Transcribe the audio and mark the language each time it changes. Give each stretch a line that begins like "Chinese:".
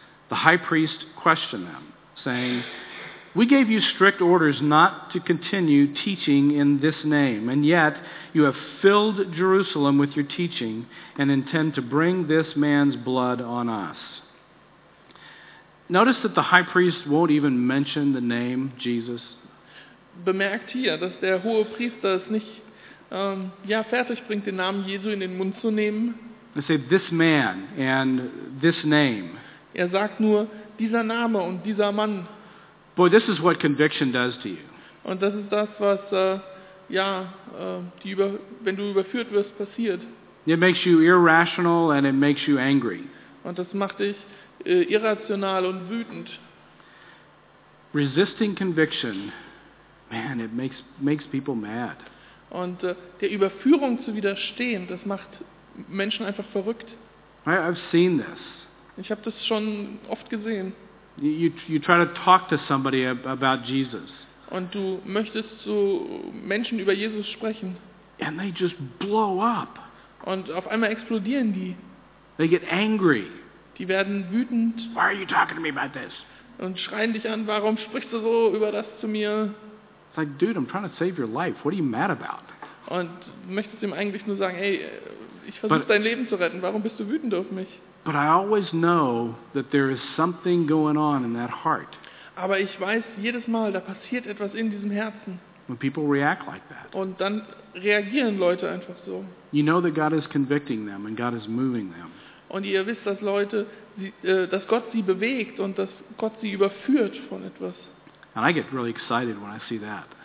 English: The high priest questioned them, saying, "We gave you strict orders not to continue teaching in this name, and yet you have filled Jerusalem with your teaching and intend to bring this man's blood on us." Notice that the high priest won't even mention the name Jesus.
German: Bemerkt hier, dass der hohe Priester es nicht fertig bringt, den Namen Jesu in den Mund zu nehmen.
English: They say, "This man and this name."
German: Er sagt nur, dieser Name und dieser Mann.
English: Boy, this is what conviction does to you.
German: Und das ist das, was, wenn du überführt wirst, passiert.
English: It makes you irrational and it makes you angry.
German: Und das macht dich irrational und wütend.
English: Resisting conviction, man, it makes people mad.
German: Und der Überführung zu widerstehen, das macht Menschen einfach verrückt.
English: I've seen this.
German: Ich habe das schon oft gesehen.
English: You try to talk to somebody about Jesus.
German: Und du möchtest zu Menschen über Jesus sprechen.
English: And they just blow up.
German: Und auf einmal explodieren die.
English: They get angry.
German: Die werden wütend.
English: Why are you talking to me about this?
German: Und schreien dich an, warum sprichst du so über das zu mir?
English: It's like, dude, I'm trying to save your life. What are you mad about?
German: Und du möchtest ihm eigentlich nur sagen, hey, ich versuche dein Leben zu retten. Warum bist du wütend auf mich?
English: But I always know that there is something going on in that heart.
German: Aber ich weiß jedes Mal, da passiert etwas in diesem Herzen.
English: When people react like that.
German: Und dann reagieren Leute einfach so.
English: You know that God is convicting them and God is moving them.
German: Und ihr wisst, dass Leute, dass Gott sie bewegt und dass Gott sie überführt von etwas.
English: And I get really excited when I see that.